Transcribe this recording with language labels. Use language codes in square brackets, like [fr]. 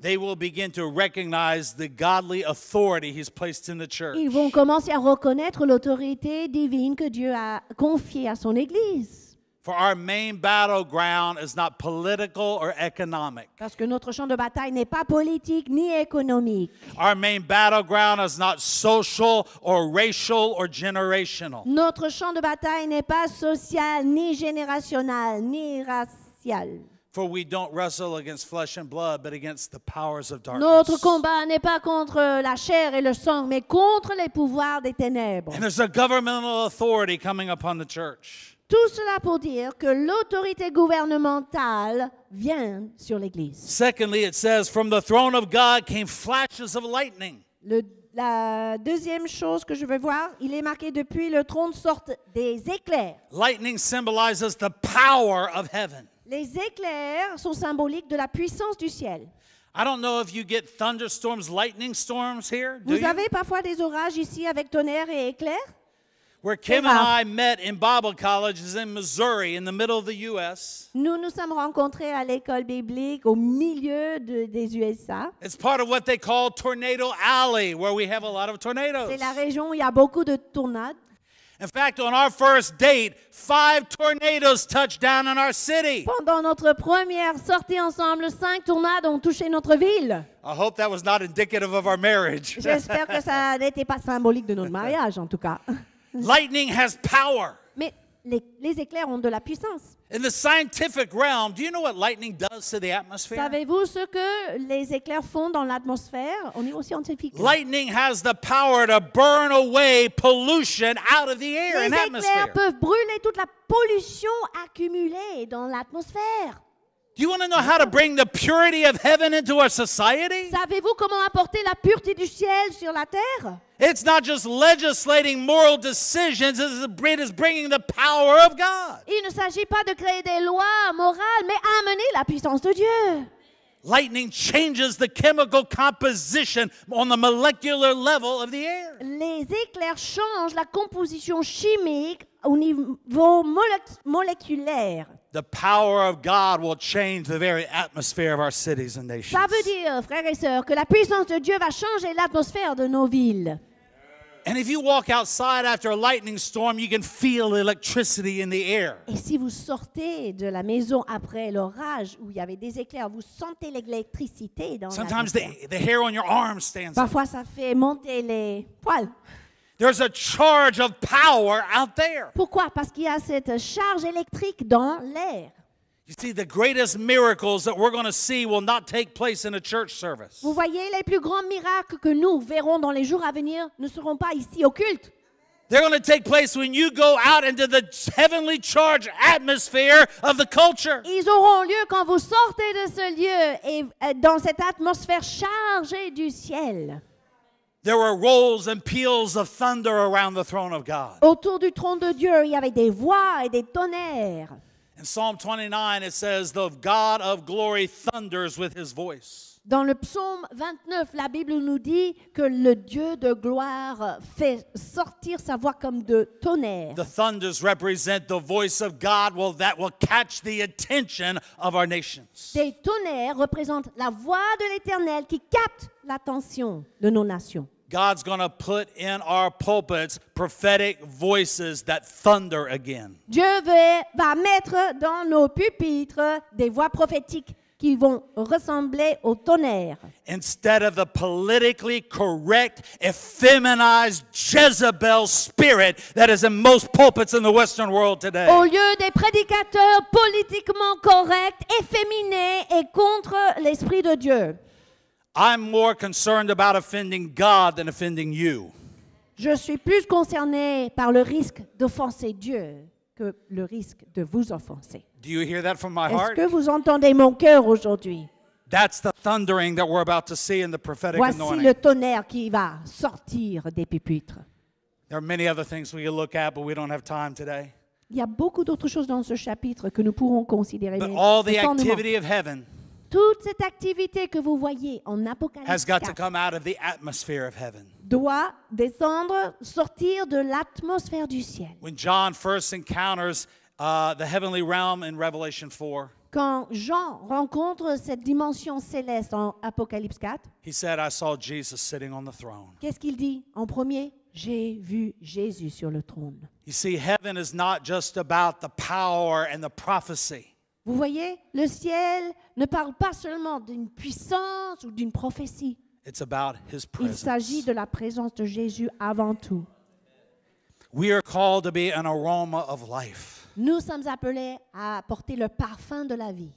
[en] they will begin to recognize the godly authority he's placed in the church. [fr] Ils vont commencer à reconnaître l'autorité divine que Dieu a confiée à son Église. [en] For our main battleground is not political or economic. [fr] Parce que notre champ de bataille n'est pas politique ni économique. [en] Our main battleground is not social or racial or generational. [fr] Notre champ de bataille n'est pas social ni générationnel ni racial. [en] For we don't wrestle against flesh and blood, but against the powers of darkness. [fr] Notre combat n'est pas contre la chair et le sang, mais contre les pouvoirs des ténèbres. [en] And there's a governmental authority coming upon the church. [fr] Tout cela pour dire que l'autorité gouvernementale vient sur l'Église. [en] Secondly, it says, from the throne of God came flashes of lightning. [fr] La deuxième chose que je veux voir, il est marqué depuis le trône sortent des éclairs. [en] Lightning symbolizes the power of heaven. [fr] Les éclairs sont symboliques de la puissance du ciel. [en] I don't know if you get thunderstorms, lightning storms here. [fr] Vous avez parfois des orages ici avec tonnerre et éclairs? [en] where Kim and I met in Bible colleges in Missouri, in the middle of the U.S. [fr] Nous nous sommes rencontrés à l'école biblique au milieu de, des USA. [en] It's part of what they call Tornado Alley, where we have a lot of tornadoes. [fr] C'est la région où il y a beaucoup de tornades. [en] In fact, on our first date, 5 tornadoes touched down in our city. [fr] Pendant notre première sortie ensemble, 5 tornades ont touché notre ville. [en] I hope that was not indicative of our marriage. [fr] J'espère que ça n'était pas symbolique de notre mariage, en tout cas. [en] Lightning has power. [fr] Mais les éclairs ont de la puissance. [en] In the scientific realm, do you know what lightning does to the atmosphere? [fr] Savez-vous ce que les éclairs font dans l'atmosphère au niveau scientifique? [en] Lightning has the power to burn away pollution out of the air and atmosphere. [fr] Les éclairs peuvent brûler toute la pollution accumulée dans l'atmosphère. [en] Do you want to know how to bring the purity of heaven into our society? [fr] Savez-vous comment apporter la pureté du ciel sur la terre? [en] It's not just legislating moral decisions, it's bringing the power of God. [fr] Il ne s'agit pas de créer des lois morales, mais amener la puissance de Dieu. [en] Lightning changes the chemical composition on the molecular level of the air. [fr] Les éclairs changent la composition chimique au niveau moléculaire. [en] The power of God will change the very atmosphere of our cities and nations. [fr] Ça veut dire, frères et sœurs, que la puissance de Dieu va changer l'atmosphère de nos villes. [en] And if you walk outside after a lightning storm, you can feel electricity in the air. [fr] Et si vous sortez de la maison après l'orage où il y avait des éclairs, vous sentez l'électricité dans l'air. [en] Sometimes the hair on your arm stands up. [fr] Parfois ça fait monter les poils. [en] There's a charge of power out there. [fr] Pourquoi? Parce qu'il y a cette charge électrique dans l'air. [en] You see, the greatest miracles that we're going to see will not take place in a church service. [fr] Vous voyez, les plus grands miracles que nous verrons dans les jours à venir ne seront pas ici au culte. [en] They're going to take place when you go out into the heavenly charge atmosphere of the culture. [fr] Ils auront lieu quand vous sortez de ce lieu et dans cette atmosphère chargée du ciel. [en] There were rolls and peals of thunder around the throne of God. [fr] Autour du trône de Dieu, il y avait des voix et des tonnerres. [en] In Psalm 29, it says, "The God of glory thunders with His voice." [fr] Dans le psaume 29, la Bible nous dit que le Dieu de gloire fait sortir sa voix comme de tonnerre. [en] The thunders represent the voice of God that will catch the attention of our nations. [fr] Des tonnerres représentent la voix de l'Éternel qui capte l'attention de nos nations. [en] God's going to put in our pulpits prophetic voices that thunder again. [fr] Dieu va mettre dans nos pupitres des voix prophétiques qui vont ressembler au tonnerre. [en] Instead of the politically correct, effeminized Jezebel spirit that is in most pulpits in the Western world today. [fr] Au lieu des prédicateurs politiquement corrects, efféminés et contre l'Esprit de Dieu. [en] I'm more concerned about offending God than offending you. [fr] Je suis plus concerné par le risque d'offenser Dieu que le risque de vous offenser. [en] Do you hear that from my heart? [fr] Est-ce que vous entendez mon cœur aujourd'hui? [en] That's the thundering that we're about to see in the prophetic [fr] Voici [en] anointing. [fr] Voici le tonnerre qui va sortir des pupitres. [en] There are many other things we can look at, but we don't have time today. [fr] Il y a beaucoup d'autres choses dans ce chapitre que nous pourrons considérer. [en] But all the activity of heaven. [fr] Toute cette activité que vous voyez en Apocalypse [en] has got to come out of the atmosphere of heaven. [fr] Doit descendre, sortir de l'atmosphère du ciel. [en] When John first encounters the heavenly realm in Revelation 4, [fr] quand Jean rencontre cette dimension céleste en Apocalypse 4, [en] he said, "I saw Jesus sitting on the throne." [fr] Qu'est-ce qu'il dit en premier? J'ai vu Jésus sur le trône. [en] You see, heaven is not just about the power and the prophecy. [fr] Vous voyez, le ciel ne parle pas seulement d'une puissance ou d'une prophétie. [en] It's about his presence. [fr] Il s'agit de la présence de Jésus avant tout. [en] We are called to be an aroma of life. [fr] Nous sommes appelés à porter le parfum de la vie.